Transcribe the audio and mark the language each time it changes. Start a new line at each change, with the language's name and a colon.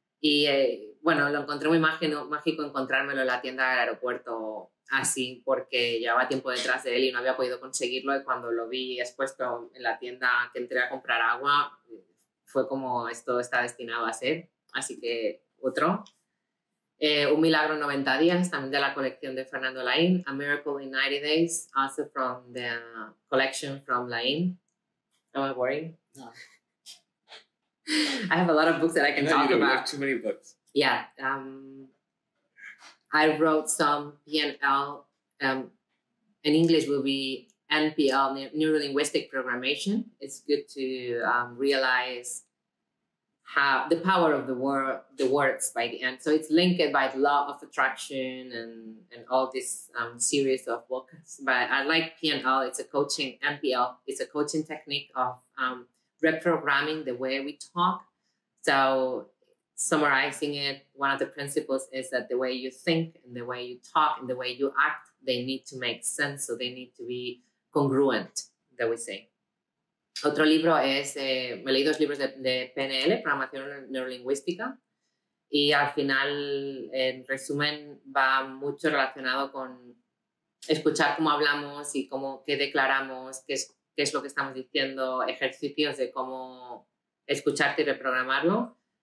Spanish: Y bueno, lo encontré muy mágico encontrármelo en la tienda del aeropuerto así, porque llevaba tiempo detrás de él y no había podido conseguirlo. Y cuando lo vi expuesto en la tienda que entré a comprar agua, fue como esto está destinado a ser. Así que otro. Un Milagro en 90 Días, también de la colección de Fernando Laín.
English: A Miracle in 90 Days, also from the collection from Laín. Am I worried? No. I have a lot of books that I can talk about. You have too many books. Yeah. I wrote some PNL, in English will be NPL, Neuro-Linguistic Programming. It's good to realize how the power of the words by the end. So it's linked by the law of attraction and all this series of books. But I like PNL, it's a coaching, NPL, it's a coaching technique of reprogramming the way we talk. So summarizing it, one of the principles is that the way you think and the way you talk and the way you act, they need to make sense, so they need to be congruent, that we say.
Spanish: Otro libro es, me leí dos libros de PNL, Programación Neurolingüística, y al final, en resumen, va mucho relacionado con escuchar cómo hablamos y cómo, qué declaramos, qué es lo que estamos diciendo, ejercicios de cómo escucharte y reprogramarlo.